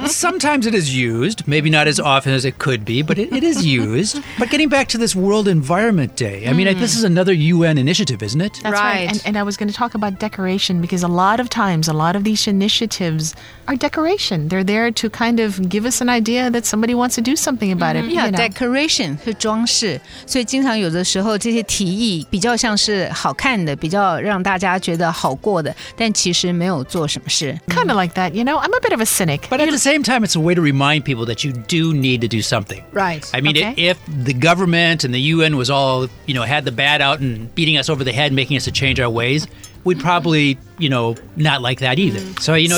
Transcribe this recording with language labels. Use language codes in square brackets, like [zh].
[en] Sometimes it is used, maybe not as often as it could be, but it is used. But getting back to this World Environment Day, I mean, this is another UN initiative, isn't it? That's right. And I was going to talk about decoration because a lot of times, a lot of these initiatives are decoration. They're there to kind of give us an idea that somebody wants to do something about it. Yeah, decoration, 装饰. [zh] 所以经常有的时候这些提议比较像是好看的, 比较让大家觉得好过的, 但其实没有做什么事. [en] Kind of like that, you know, I'm a bit of a cynic. But at the same time, it's a way to remind people that you do need to do something. Right. I mean, if the government and the UN was all, you know, had the bat out and beating us over the head, making us to change our ways, we'd probably, you know, not like that either. So, you know,